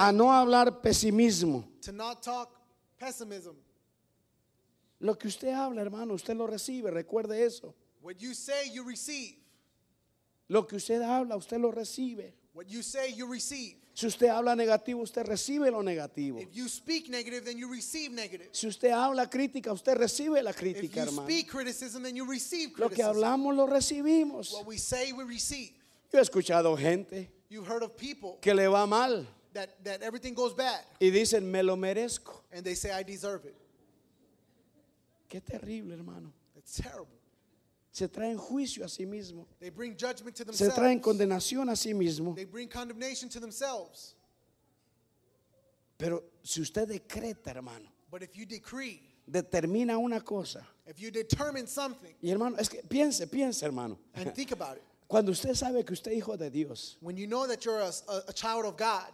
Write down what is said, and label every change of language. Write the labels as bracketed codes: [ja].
[es] A no hablar pesimismo. [en] To not talk pessimism. [es] Lo que usted habla, hermano, usted lo recibe. Recuerde eso. [en] What you say, you receive. [es] Lo que usted habla, usted lo recibe. [en] What you say, you receive. [es] Si usted habla negativo, usted recibe lo negativo. [en] If you speak negative, then you receive negative. [es] Si usted habla crítica, usted recibe la crítica, hermano. [en] If you speak criticism, then you receive criticism. [es] Lo que hablamos, lo recibimos. [en] What we say, we receive. [es] Yo he escuchado gente que le va mal [en] that everything goes bad. [es] Y dicen, me lo merezco. [en] And they say, I deserve it. [es] Qué terrible, hermano. [en] It's terrible. [es] Se traen juicio a sí mismo. [en] They bring judgment to themselves. [es] Se traen condenación a sí mismo. [en] They bring condemnation to themselves. [es] Pero si usted decreta, hermano, [en] but if you decree, [es] determina una cosa, [en] if you determine something, [es] y hermano, es que piense, hermano, [en] and think about it. [es] Cuando usted sabe que usted es hijo de Dios, [en] when you know that you're a child of God,